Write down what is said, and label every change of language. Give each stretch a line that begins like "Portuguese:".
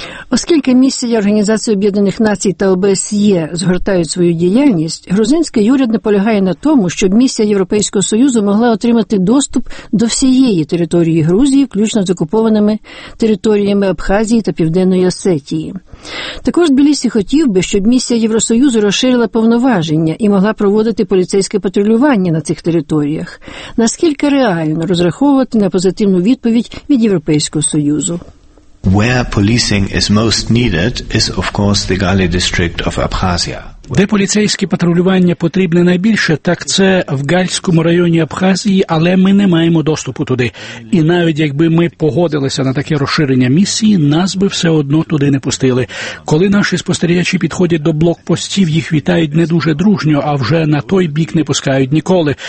Ukrainian: Оскільки місії Організації Об'єднаних Націй та ОБСЄ згортають свою діяльність, грузинський уряд наполягає на тому, щоб місія Європейського Союзу могла отримати доступ до всієї території Грузії, включно з окупованими територіями Абхазії та Південної Осетії. Також Тбілісі хотів би, щоб місія Євросоюзу розширила повноваження і могла проводити поліцейське патрулювання на цих територіях. Наскільки реально розраховувати на позитивну відповідь від Європейського Союзу?
English: Where policing is most needed is, of course, the Gali district of Abkhazia.
Ukrainian: Де поліцейське патрулювання потрібне найбільше, так це в Гальському районі Абхазії, але ми не маємо доступу туди. І навіть якби ми погодилися на таке розширення місії, нас би все одно туди не пустили. Коли наші спостерігачі підходять до блокпостів, їх вітають не дуже дружньо, а вже на той бік не пускають ніколи.